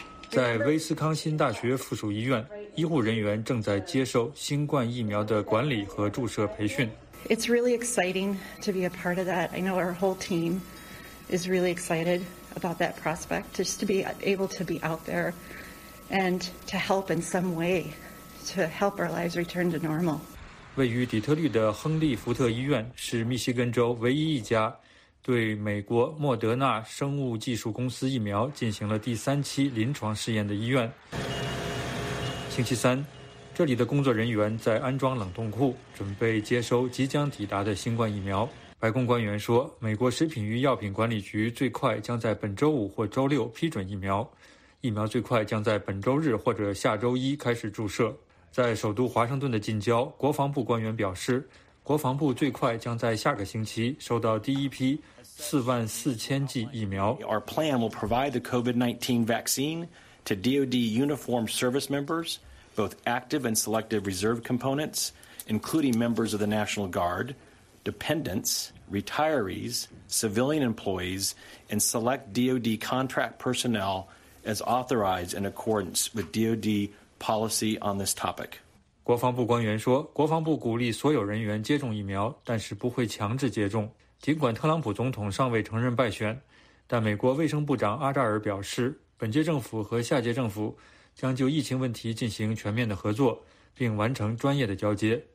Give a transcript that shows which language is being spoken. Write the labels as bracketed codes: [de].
[zh] 在威斯康辛大学附属医院，医护人员正在接受新冠疫苗的管理和注射培训。 [en] It's really exciting to be a part of that. I know our whole team is really excited about that prospect, just to be able to be out there and to help in some way, to help our lives return to normal. [zh] 位于底特律的亨利福特医院是密西根州唯一一家对美国莫德纳生物技术公司疫苗进行了第三期临床试验的医院。星期三，这里的工作人员在安装冷冻库，准备接收即将抵达的新冠疫苗。白宫官员说，美国食品与药品管理局最快将在本周五或周六批准疫苗，疫苗最快将在本周日或者下周一开始注射。在首都华盛顿的近郊，国防部官员表示，国防部最快将在下个星期收到第一批44000剂疫苗。 [en] Our plan will provide the COVID-19 vaccine to DoD uniform service members. Both active and selective reserve components, including members of the National Guard, dependents, retirees, civilian employees, and select DoD contract personnel as authorized in accordance with DoD policy on this topic. [zh] 国防部官员说，国防部鼓励所有人员接种疫苗，但是不会强制接种。尽管特朗普总统尚未承认败选，但美国卫生部长阿扎尔表示，本届政府和下届政府将就疫情问题进行全面的合作，并完成专业的交接。